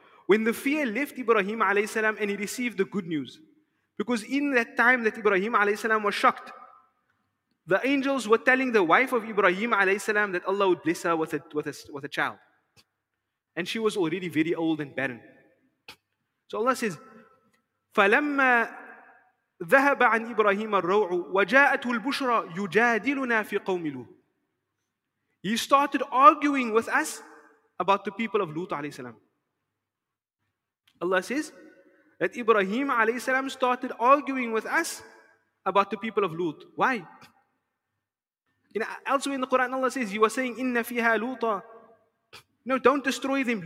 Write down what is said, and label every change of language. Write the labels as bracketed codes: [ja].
[en] When the fear left Ibrahim alayhi salam and he received the good news. Because in that time that Ibrahim alayhi salam was shocked, the angels were telling the wife of Ibrahim alayhi salam that Allah would bless her with a child. And she was already very old and barren. So Allah says, [ar] فَلَمَّا ذَهَبَ عَنْ إِبْرَاهِيمَ الرَّوْعُ وَجَاءَتْهُ الْبُشْرَى يُجَادِلُنَا فِي قَوْمِ لُوطٍ. [en] He started arguing with us about the people of Lut alayhi salam. Allah says, that Ibrahim alayhi salam started arguing with us about the people of Lut. Why? Elsewhere in the Quran, Allah says, he was saying, [ar] "Inna fiha Luta." [en] No, don't destroy them.